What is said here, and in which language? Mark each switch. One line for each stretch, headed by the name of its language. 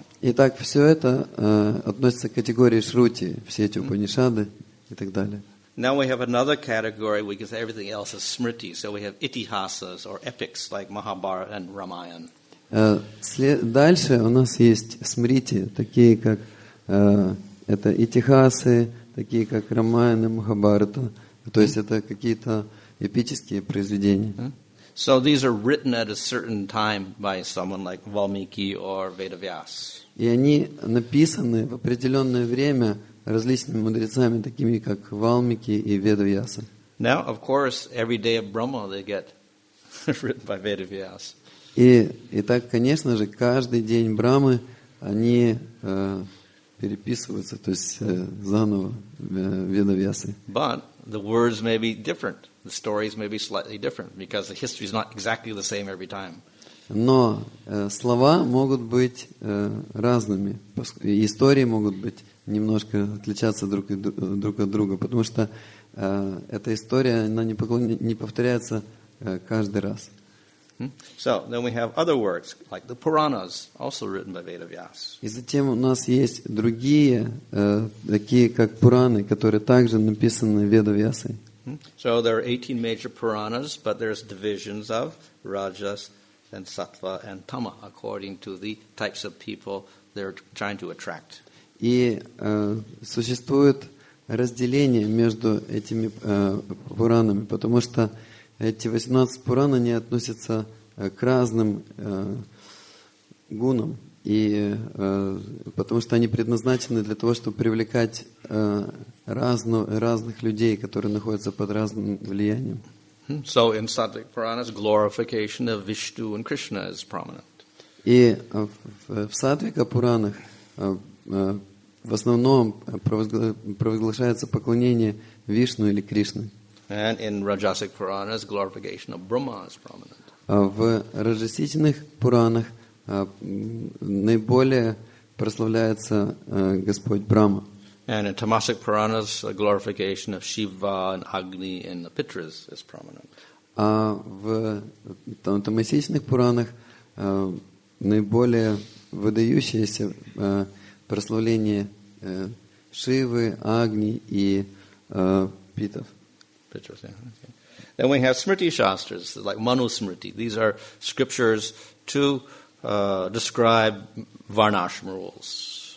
Russian: Итак, все это относится к категории Шрути, все эти Упанишады и так далее.
English: Now we have another category because everything else is Smriti. So we have Itihasas or epics like Mahabharata and Ramayana.
Russian: Дальше у нас есть Смрити, такие как это Итихасы, такие как Рамаяна, Махабхарата. То есть это какие-то эпические произведения.
English: So these are written at a certain time by someone like Valmiki or Vedavyas.
Russian: И они написаны в определенное время различными мудрецами, такими как Валмики и Ведавьяса.
English: Now, of course, every day of Brahma they get written by Vedavyas.
Russian: И так, конечно же, каждый день Брамы они переписываются, то есть заново Ведавьясы.
English: But the words may be different. The stories may be slightly different because the history is not exactly the same every time.
Russian: Но слова могут быть разными, истории могут быть немножко отличаться друг от друга, потому что эта история она не повторяется каждый раз.
English: So then we have other works like the Puranas, also written by Vedavyas.
Russian: И затем у нас есть другие такие как Пураны, которые также написаны Ведавьясой.
English: So there are 18 major Puranas, but there's divisions of Rajas and Sattva and Tama according to the types of people they're trying to attract.
Russian: И существует разделение между этими Пуранами, потому что эти 18 Пуран, они относятся к разным гунам, и потому что они предназначены для того, чтобы привлекать разных людей, которые находятся под разным влиянием.
English: So in Sattvic Puranas, glorification of Vishnu and Krishna is prominent.
Russian: И в Сатвика Пуранах в основном провозглашается поклонение Вишну или Кришны.
English: And in Rajasic Puranas, glorification of Brahma is prominent.
Russian: В Раджасичных Пуранах наиболее прославляется Господь Брама.
English: And in Tamasic Puranas, the glorification of Shiva and Agni and the Pitras is prominent.
Russian: А в Тамасичных Пуранах наиболее выдающееся прославление Шивы, Агни и Питов.
English: Pitras, yeah. Okay. Then we have Smriti Shastras, like Manu Smriti. These are scriptures to describe Varnashram rules.